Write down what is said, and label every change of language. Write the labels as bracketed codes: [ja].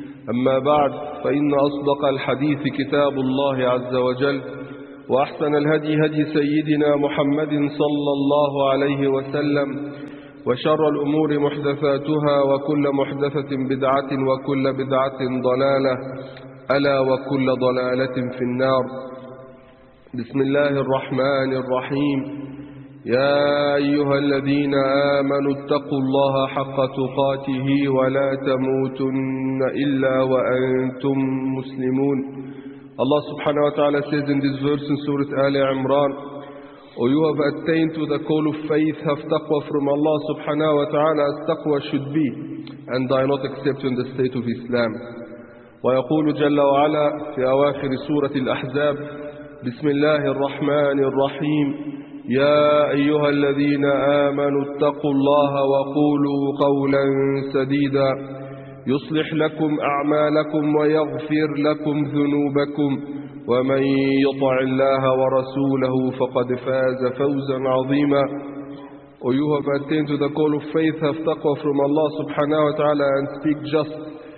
[ar] أما بعد، فإن أصدق الحديث كتاب الله عز وجل، وأحسن الهدي هدي سيدنا محمد صلى الله عليه وسلم، وشر الأمور محدثاتها، وكل محدثة بدعة، وكل بدعة ضلالة، ألا وكل ضلالة في النار. بسم الله الرحمن الرحيم. يا أيها الذين آمنوا اتقوا الله حق تقاته ولا تموتن إلا وأنتم مسلمون. الله سبحانه وتعالى [en] says in this verse in Surah Al Imran, O you have attained to the call of faith, have taqwa from Allah subhanahu wa ta'ala as taqwa should be, and thy not accepting the state of Islam. [ar] ويقول جل وعلا في أواخر سورة الأحزاب: بسم الله الرحمن الرحيم. يا أيها الذين آمنوا اتقوا الله وقولوا قولا سديدا يصلح لكم أعمالكم ويغفر لكم ذنوبكم، ومن يطع الله ورسوله فقد فاز فوزا عظيما. [en] Or you have attained to the call of faith, have taqwa from Allah subhanahu wa ta'ala and speak just.